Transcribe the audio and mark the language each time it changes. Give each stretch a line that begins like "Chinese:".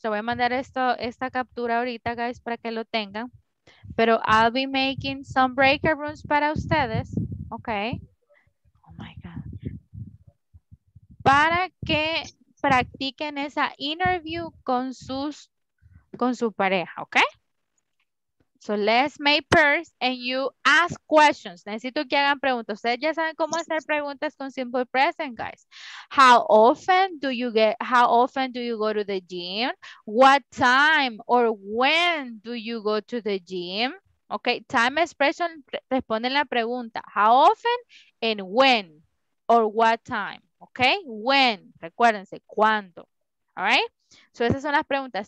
Spanish: Te voy a mandar esta captura ahorita, guys, para que lo tengan. Pero
English: I'll be making some breakout rooms
Spanish: para ustedes,
English: okay? Oh, my God.
Spanish: Para que practiquen esa interview con su pareja, ¿ok?
English: So let's make pairs and you ask questions.
Spanish: Necesito que hagan preguntas. Ustedes ya saben cómo hacer preguntas con simple present, guys.
English: How often do you go to the gym? What time or when do you go to the gym? ¿Ok? Time expression
Spanish: responde la pregunta.
English: How often and when or what time? ¿Ok?
Spanish: When, recuérdense, ¿cuándo?
English: All right? So
Spanish: esas son las preguntas.